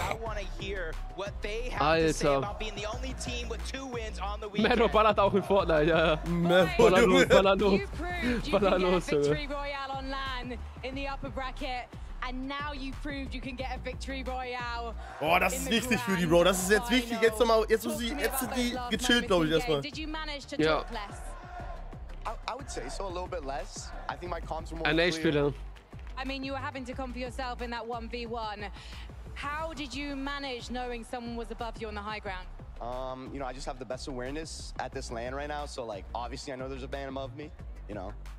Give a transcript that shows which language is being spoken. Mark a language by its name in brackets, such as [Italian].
[English] I wanna hear what they have to say about being the only team with two wins on the weekend. [German] Mero ballert auch in Fortnite, ja. Ballert los. [English] You proved you can get a Victory Royale online in the upper bracket. And now you proved you can get a Victory Royale. [German] Oh, das ist wichtig für die, Bro. Das ist jetzt wichtig. Jetzt noch mal, jetzt sind die gechillt, glaube ich, erstmal. [English] Did you manage to talk less? I would say so, a little bit less. I think my comms were more clear. I mean, you were having to come for yourself in that 1v1. How did you manage knowing someone was above you on the high ground? You know, I just have the best awareness at this LAN right now. So, like, obviously I know there's a band above me, you know.